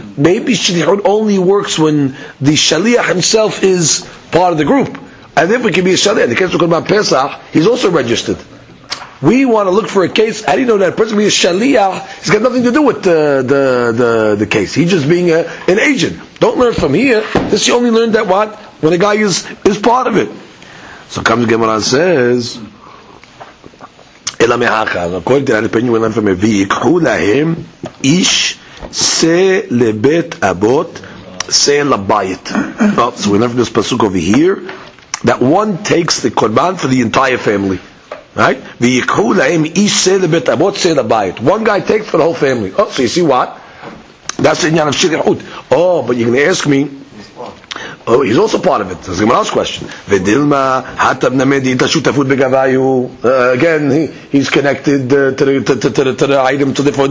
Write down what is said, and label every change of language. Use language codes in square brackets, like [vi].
[en] Maybe shilihut only works when the shaliach himself is part of the group. And if it can be a shaliach, in the case of Korban Pesach, he's also registered. We want to look for a case, how do you know that person being a shaliach, he's got nothing to do with the case. He's just being an agent. Don't learn from here. This you only learn that what? When a guy is part of it. [he] So comes Gemara and says, אלא מאחר, הכל דרך לפניו אלא מפעמי, ויקחו להם איש שא לבית אבות, שא לבית. [en] So we learn from this pasuk over here, that one takes the korban for the entire family. Right? [he] ויקחו להם איש שא לבית אבות, שא לבית. [en] One guy takes for the whole family. Oh, so you see what? That's the עניין of שליחות. Oh, but you're going to ask me, oh, he's also part of it. That's Gemara's question. [arc] V'dilma hatav named ita shutafut begavayu. [en] Again, he's connected to the item, to the food.